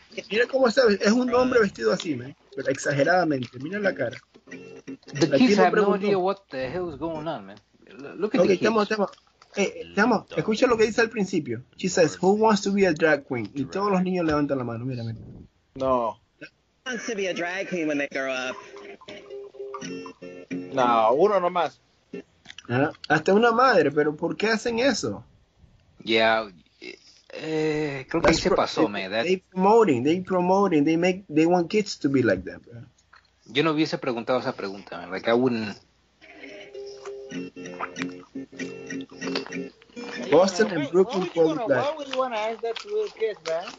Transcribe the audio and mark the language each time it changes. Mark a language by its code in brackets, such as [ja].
[es] Mira cómo está, es un hombre vestido así, man. Pero exageradamente, mira la cara. [en] The kids have no idea what the hell is going on, man. Look at the kids. [es] Estamos, escucha lo que dice al principio. [en] She says, who wants to be a drag queen? [es] Y todos los niños levantan la mano, mira, mira. No. [en] Who wants to be a drag queen when they grow up? [es] No, uno nomás. Hasta una madre, pero ¿por qué hacen eso? Yeah, creo que se pasó, man. [en] They promoting, they want kids to be like that. [es] Yo no hubiese preguntado esa pregunta, man. [en] Like, I wouldn't... Boston and Brooklyn called it that. Why would you want to ask that to little kids, man?